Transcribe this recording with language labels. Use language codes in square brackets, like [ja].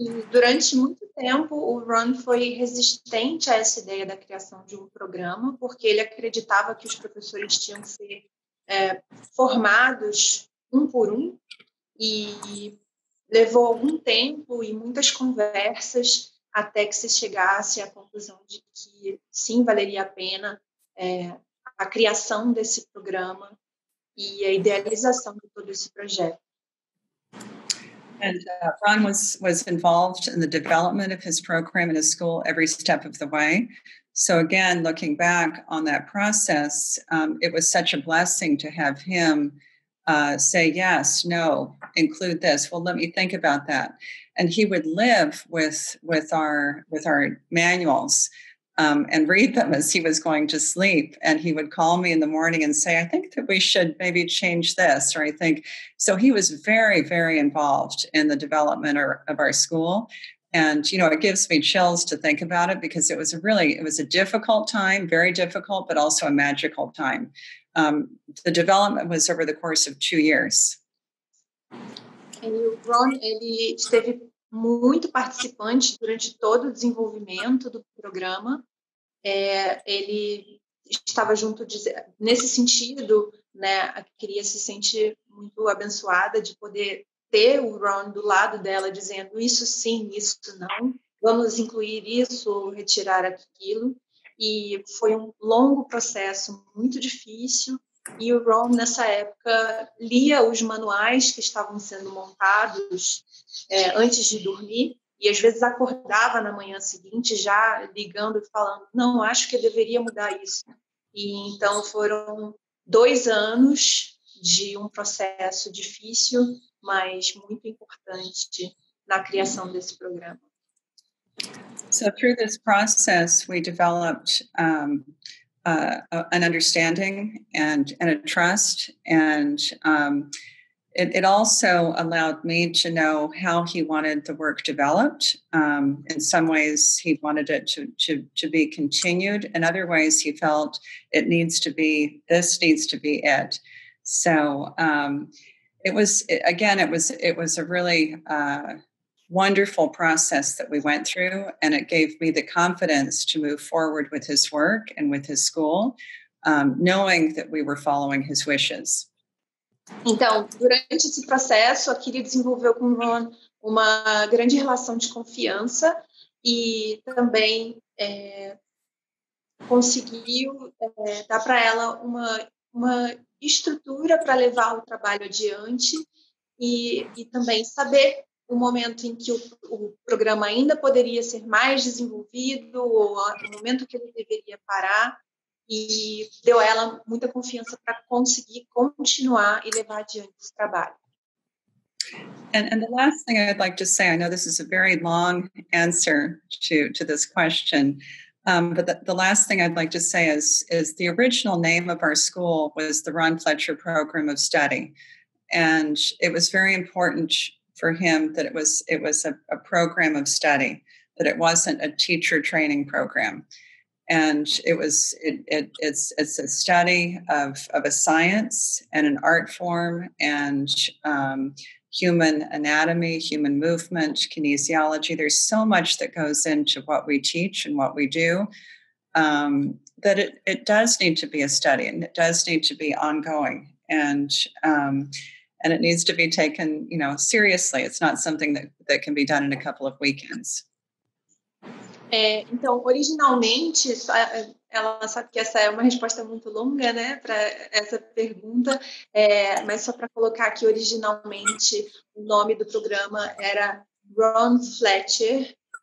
[pt] Durante muito tempo, o Ron foi resistente a essa ideia da criação de um programa, porque ele acreditava que os professores tinham que ser formados um por um, e levou algum tempo e muitas conversas até que se chegasse à conclusão de que sim, valeria a pena a criação desse programa e a idealização de todo esse projeto. [en] And Ron was involved in the development of his program in his school every step of the way. So again, looking back on that process, it was such a blessing to have him say, yes, no, include this. Well, let me think about that. And he would live with our manuals and read them as he was going to sleep. And he would call me in the morning and say, I think that we should maybe change this. Or I think, so he was very, very involved in the development of our school. And, you know, it gives me chills to think about it because it was a difficult time, very difficult, but also a magical time. The development was over the course of 2 years. [pt] E o Ron, ele esteve muito participante durante todo o desenvolvimento do programa. Ele estava junto, nesse sentido, né, a queria se sentir muito abençoada de poder ter o Ron do lado dela dizendo isso sim, isso não, vamos incluir isso ou retirar aquilo. E foi um longo processo, muito difícil. E o Ron, nessa época, lia os manuais que estavam sendo montados antes de dormir e, às vezes, acordava na manhã seguinte já ligando e falando não, acho que eu deveria mudar isso. E, então, foram 2 anos de um processo difícil, mas muito importante na criação desse programa. [en] So through this process, we developed an understanding and a trust, and it also allowed me to know how he wanted the work developed. In some ways, he wanted it to be continued. In other ways, he felt this needs to be it. So, it was a really wonderful process that we went through, and it gave me the confidence to move forward with his work and with his school, knowing that we were following his wishes. [pt] Então, durante esse processo, a Kiri desenvolveu com Ron uma grande relação de confiança e também conseguiu dar para ela uma estrutura para levar o trabalho adiante e também saber o momento em que o programa ainda poderia ser mais desenvolvido ou o momento que ele deveria parar, e deu a ela muita confiança para conseguir continuar e levar adiante esse trabalho. [en] And the last thing I'd like to say, I know this is a very long answer to this question, but the last thing I'd like to say is the original name of our school was the Ron Fletcher Program of Study. And it was very important for him that it was a program of study, that it wasn't a teacher training program. And it's a study of a science and an art form and human anatomy, human movement, kinesiology. There's so much that goes into what we teach and what we do that it does need to be a study, and it does need to be ongoing, and it needs to be taken, you know, seriously. It's not something that can be done in a couple of weekends. [pt] É, então, originalmente, ela sabe que essa é uma resposta muito longa, né, para essa pergunta, mas só para colocar que originalmente o nome do programa era Ron Fletcher,